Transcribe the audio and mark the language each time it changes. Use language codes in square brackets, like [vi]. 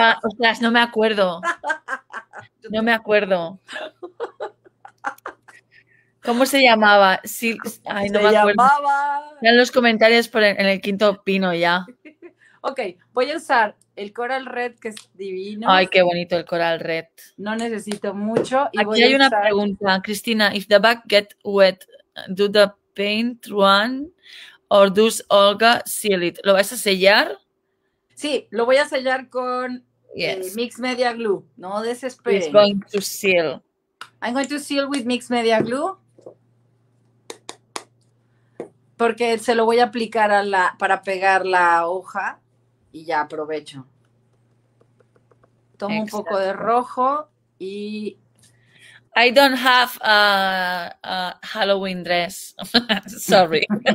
[es] Ah, ostras, no me acuerdo. No me acuerdo. ¿Cómo se llamaba? Sí, ay, no se me acuerdo. Llamaba... Ya en los comentarios por en el quinto pino ya. Ok, voy a usar el coral red, que es divino. Ay, qué bonito el coral red. No necesito mucho. Y aquí voy hay a una usar... pregunta, Cristina. [en] If the bag get wet, do the paint run or does Olga seal it? [es] ¿Lo vas a sellar? Sí, lo voy a sellar con mix media glue. No desesperes. [en] It's going to seal. I'm going to seal with mixed media glue. [es] Porque se lo voy a aplicar a la para pegar la hoja y ya aprovecho. Tomo un poco de rojo y... [en] I don't have a Halloween dress. Sorry.